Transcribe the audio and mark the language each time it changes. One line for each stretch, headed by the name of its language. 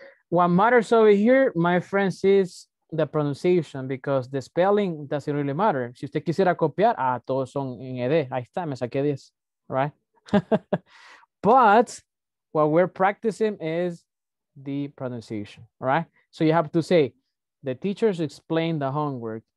English: What matters over here, my friends, is the pronunciation, because the spelling doesn't really matter.
Spanish: Si usted quisiera copiar, ah, todos son en ED. Ahí está, me saqué 10, right?
English: But what we're practicing is the pronunciation, right? So you have to say, the teachers explained the homework.